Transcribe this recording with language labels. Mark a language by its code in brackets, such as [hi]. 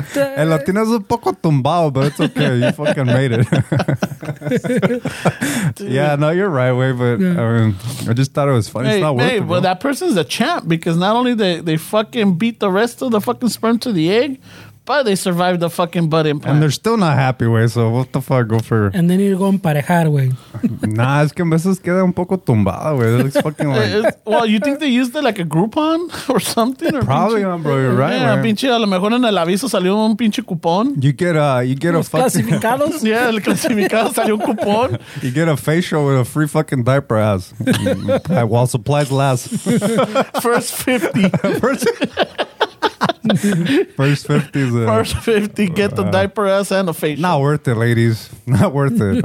[es] el latino es un poco tumbado, [en] but it's okay. You fucking made it. Dude. Yeah, no, you're right, Wade, but yeah. I mean, I just thought it was funny. Hey, it's not worth it, but that person's a champ because not only they fucking beat the rest of the fucking sperm to the egg, but they survived the fucking butt implant. And they're still not happy, Wade, so what the fuck, go for... And they need to go emparejar, Wade. [es] Nah, es que a veces queda un poco tumbado, Wade. [en] It looks fucking like... Well, you think they used it like a Groupon or something? Or probably, [es] pinche, [en] bro, you're right, [es] yeah, pinche, a lo mejor en el aviso salió un pinche cupón. [en] You get a fucking... [es] Los clasificados. Yeah, el clasificado salió un cupón. [en] You get a facial with a free fucking diaper ass. While supplies last. First 50. First 50 get the diaper ass and a facial. Not worth it, ladies. Not worth it.